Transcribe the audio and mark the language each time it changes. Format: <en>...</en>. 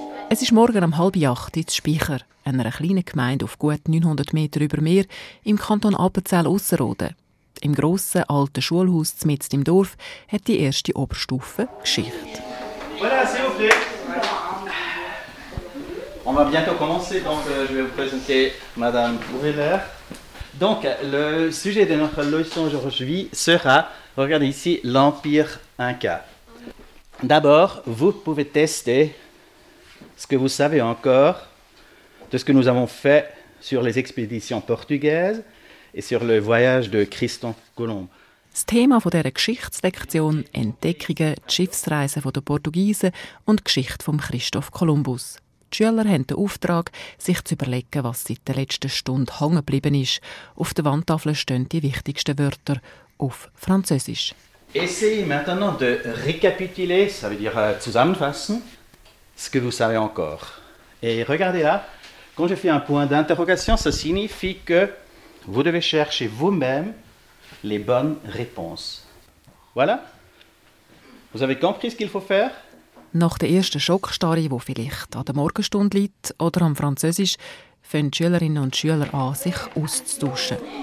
<de>Es ist morgen um 7:30 in Speicher, einer kleinen Gemeinde auf gut 900 Meter über Meer im Kanton Appenzell-Ausserrhoden. Im grossen, alten Schulhaus mitten im Dorf hat die erste Oberstufe Geschichte.</de> <fr>Voilà, c'est vous plaît. On va bientôt commencer, donc je vais vous présenter Madame Brüller. Donc, le sujet de notre leçon aujourd'hui sera, regardez ici, l'Empire Inca. D'abord, vous pouvez tester ce que vous savez encore de ce que nous avons fait sur les expéditions portugaises et sur le voyage de Christophe Colomb.</fr> <de>Das Thema dieser Geschichtslektion, Entdeckungen, die Schiffsreisen der Portugiesen und die Geschichte von Christoph Kolumbus. Die Schüler haben den Auftrag, sich zu überlegen, was seit der letzten Stunde hängen geblieben ist. Auf der Wandtafel stehen die wichtigsten Wörter auf Französisch.</de> <fr>Essayez maintenant de récapituler, ça veut dire zusammenfassen, ce que vous savez encore. Et regardez là, quand je fais un point d'interrogation, ça signifie que vous devez chercher vous-même les bonnes réponses. Voilà. Vous avez compris ce qu'il faut faire?</fr> <de>Nach der ersten Schockstarre, die vielleicht an der Morgenstunde liegt oder am Französisch, fangen Schülerinnen und Schüler an, sich auszutauschen.</de>